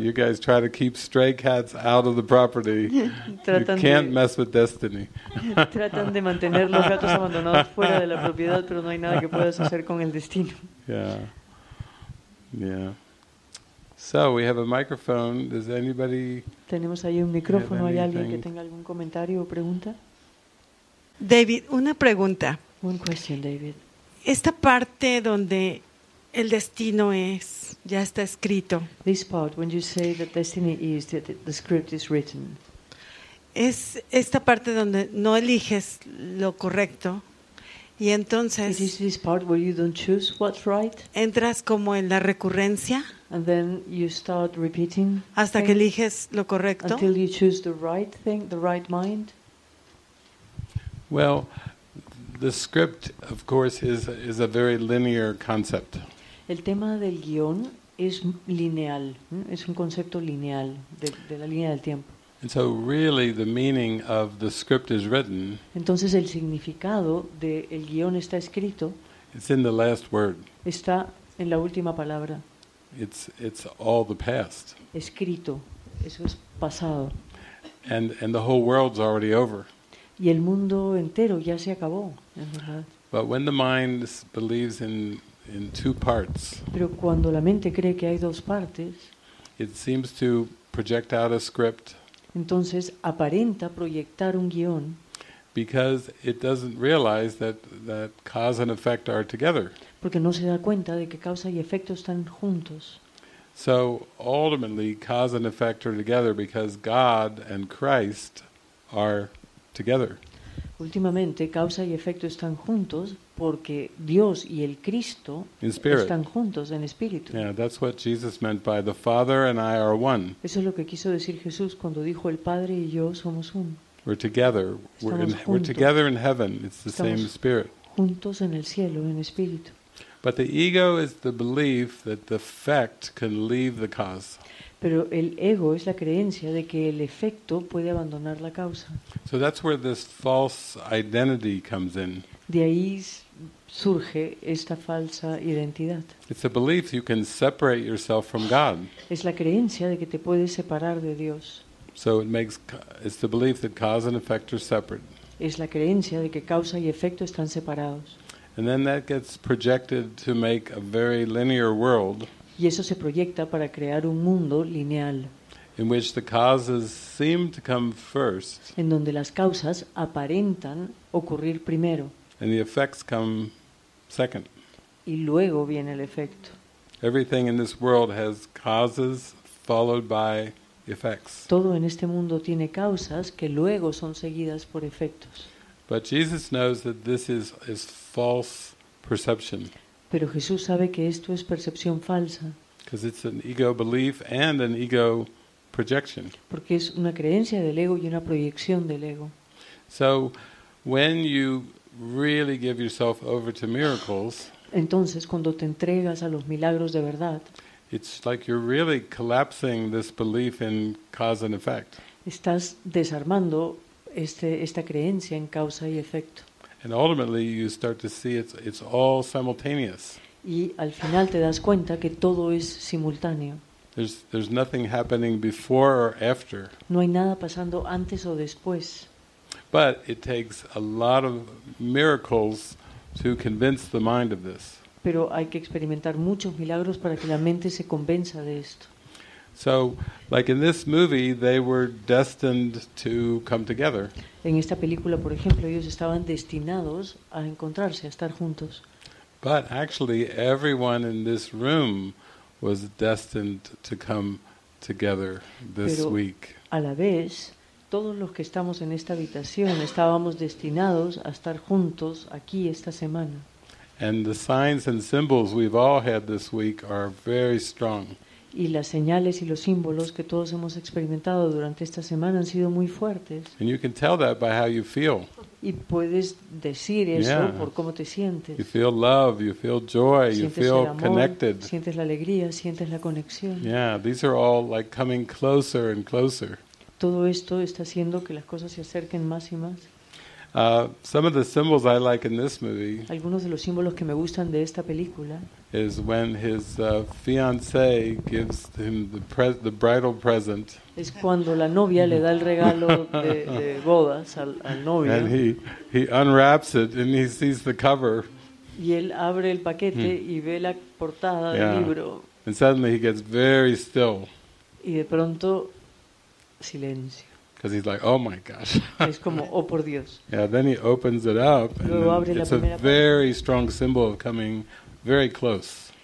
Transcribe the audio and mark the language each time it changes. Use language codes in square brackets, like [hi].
[en] You guys try to keep stray cats out of the property. You can't mess with destiny. [es] Tratan de mantener los gatos abandonados fuera de la propiedad, pero no hay nada que puedas hacer con el destino. [en] Yeah. So we have a microphone. Does anybody? [es] Tenemos ahí un micrófono. ¿Hay alguien que tenga algún comentario o pregunta? David, una pregunta. [en] One question, David. [es] Esta parte donde el destino es, ya está escrito. [en] This part, when you say that destiny is, that the script is written. [es] Es esta parte donde no eliges lo correcto. Y entonces. [en] It is this part where you don't choose what's right. [es] Entras como en la recurrencia. [en] And then you start repeating. [es] Hasta que eliges lo correcto. [en] Until you choose the right thing, the right mind. Well, the script, of course, is a very linear concept. [es] El tema del guión es lineal, es un concepto lineal de la línea del tiempo. [en] And so really the meaning of the script is written. [es] Entonces el significado del guión está escrito. [en] It's in the last word. [es] Está en la última palabra. [en] It's all the past. [es] Escrito, eso es pasado. [en] And the whole world's already over. [es] Y el mundo entero ya se acabó, es verdad. [en] But when the mind believes in two parts. [es] Pero cuando la mente cree que hay dos partes, [en] it seems to project out a script. [es] Entonces aparenta proyectar un guion. [en] Because it doesn't realize that cause and effect are together. [es] Porque no se da cuenta de que causa y efecto están juntos. [en] So ultimately, cause and effect are together because God and Christ are together. [es] Últimamente, causa y efecto están juntos porque Dios y el Cristo están juntos en espíritu. [en] Yeah, that's what Jesus meant by the Father and I are one. [es] Eso es lo que quiso decir Jesús cuando dijo el Padre y yo somos uno. [en] We're together. We're together in heaven. It's the [es] Estamos [en] same spirit. [es] Juntos en el cielo en espíritu. [en] But the ego is the belief that the effect can leave the cause. [es] Pero el ego es la creencia de que el efecto puede abandonar la causa. [en] So that's where this false identity comes in. [es] De ahí surge esta falsa identidad. [en] It's a belief you can separate yourself from God. [es] Es la creencia de que te puedes separar de Dios. [en] So it's the belief that cause and effect are separate. [es] Es la creencia de que causa y efecto están separados. [en] And then that gets projected to make a very linear world. [es] Y eso se proyecta para crear un mundo lineal. [en] In which the causes seem to come first. [es] En donde las causas aparentan ocurrir primero. [en] And the effects come second. [es] Y luego viene el efecto. [en] Everything in this world has causes followed by effects. [es] Todo en este mundo tiene causas que luego son seguidas por efectos. [en] But Jesus knows that this is false perception. [es] Pero Jesús sabe que esto es percepción falsa. [en] Because it's an ego belief and an ego projection. [es] Porque es una creencia del ego y una proyección del ego. [en] So when you really give yourself over to miracles, [es] entonces cuando te entregas a los milagros de verdad, [en] it's like you're really collapsing this belief in cause and effect. [es] Estás desarmando esta creencia en causa y efecto. [en] And ultimately you start to see it's all simultaneous. [es] Y al final te das cuenta que todo es simultáneo. [en] There's nothing happening before or after. [es] No hay nada pasando antes o después. [en] But it takes a lot of miracles to convince the mind of this. [es] Pero hay que experimentar muchos milagros para que la mente se convenza de esto. [en] So, like in this movie, they were destined to come together. [es] En esta película, por ejemplo, ellos estaban destinados a encontrarse, a estar juntos. [en] But actually, everyone in this room was destined to come together this week. [es] Pero a la vez, todos los que estamos en esta habitación estábamos destinados a estar juntos aquí esta semana. [en] And the signs and symbols we've all had this week are very strong. [es] Y las señales y los símbolos que todos hemos experimentado durante esta semana han sido muy fuertes. [en] And you can tell that by how you feel. [es] Y puedes decir eso por cómo te sientes. [en] You feel love, you feel joy, you feel connected. [es] Sientes la alegría, sientes la conexión. [en] Yeah, these are all like coming closer and closer. [es] Todo esto está haciendo que las cosas se acerquen más y más. [en] Some of the symbols I like in this movie. [es] Algunos de los símbolos que me gustan de esta película. [en] Is when his fiancée gives him the bridal present. [es] Es cuando la novia le da el regalo de bodas al novio. [en] And he unwraps it and he sees the cover. [es] Y él abre el paquete y ve la portada del libro. [en] And suddenly he gets very still. [es] Y de pronto silencio. [en] Because he's like, oh my gosh. [es] Es como, oh por Dios. [en] Yeah, then he opens it up. [es] Luego abre [en] it's [es] la [en] a very strong symbol of coming very close.